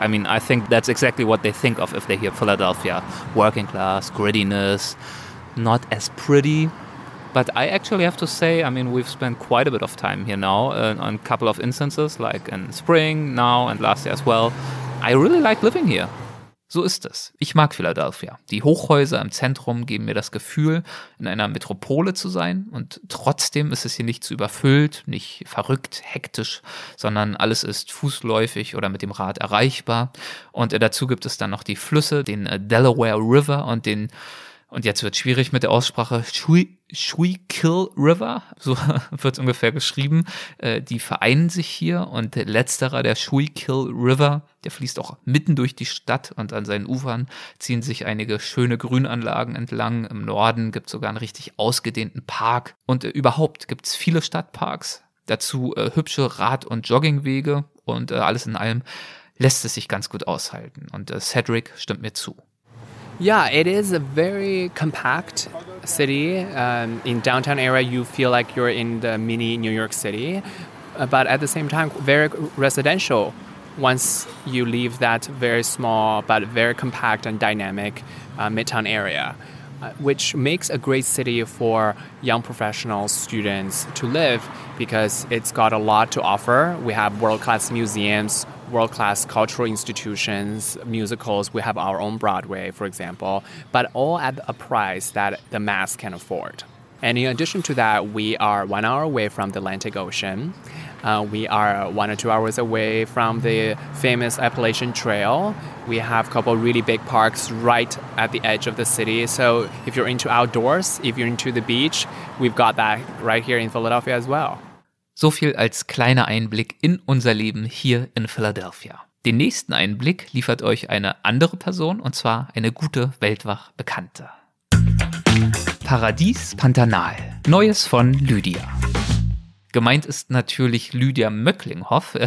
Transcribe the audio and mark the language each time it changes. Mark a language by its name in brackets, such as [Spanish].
[English] I mean, I think that's exactly what they think of if they hear Philadelphia. Working class, grittiness, not as pretty. But I actually have to say, I mean, we've spent quite a bit of time here now on a couple of instances, like in spring now and last year as well. I really like living here. [German] So ist es. Ich mag Philadelphia. Die Hochhäuser im Zentrum geben mir das Gefühl, in einer Metropole zu sein. Und trotzdem ist es hier nicht zu überfüllt, nicht verrückt, hektisch, sondern alles ist fußläufig oder mit dem Rad erreichbar. Und dazu gibt es dann noch die Flüsse, den Delaware River und den, und jetzt wird schwierig mit der Aussprache, Schuylkill River, so wird es ungefähr geschrieben, die vereinen sich hier und letzterer, der Schuylkill River, der fließt auch mitten durch die Stadt und an seinen Ufern ziehen sich einige schöne Grünanlagen entlang. Im Norden gibt es sogar einen richtig ausgedehnten Park und überhaupt gibt es viele Stadtparks, dazu hübsche Rad- und Joggingwege und alles in allem lässt es sich ganz gut aushalten und Cedric stimmt mir zu. [English] Yeah, it is a very compact city. In downtown area, you feel like you're in the mini New York City, but at the same time, very residential once you leave that very small but very compact and dynamic midtown area, which makes a great city for young professionals, students to live because it's got a lot to offer. We have world-class museums, world-class cultural institutions, musicals. We have our own Broadway, for example, but all at a price that the mass can afford. And in addition to that, we are 1 hour away from the Atlantic Ocean. We are 1 or 2 hours away from the famous Appalachian Trail. We have a couple really big parks right at the edge of the city. So if you're into outdoors, if you're into the beach, we've got that right here in Philadelphia as well. [German] So viel als kleiner Einblick in unser Leben hier in Philadelphia. Den nächsten Einblick liefert euch eine andere Person, und zwar eine gute Weltwach-Bekannte. Paradies Pantanal. Neues von Lydia. Gemeint ist natürlich Lydia Möcklinghoff.